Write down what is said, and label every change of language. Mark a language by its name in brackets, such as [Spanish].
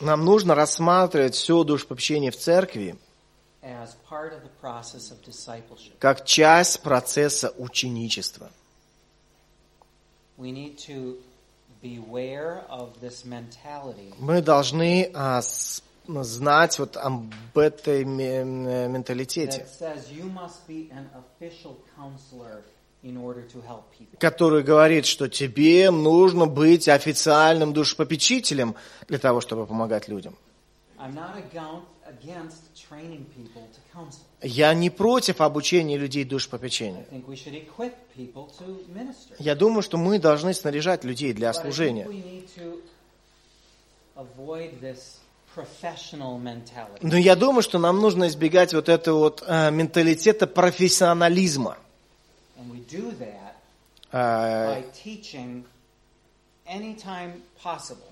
[Russian] Нам нужно рассматривать все душепопечение в церкви [English] as part of the process of discipleship. [Russian] Как часть процесса ученичества. [English] We need to beware of this mentality. [Russian] Мы должны знать вот об этой менталитете. [English] That says you must be an official counselor. In order to help people. [Russian] Который говорит, что тебе нужно быть официальным душепопечителем для того, чтобы помогать людям. [English] I'm not against training people to counsel. [Russian] Я не против обучения людей душепопечению. [English] I think we should equip people to minister. [Russian] Я думаю, что мы должны снаряжать людей для служения. [English] But I think we need to avoid this professional mentality. [Russian] Но я думаю, что нам нужно избегать вот этого вот менталитета профессионализма. [English] And we do that by teaching anytime possible.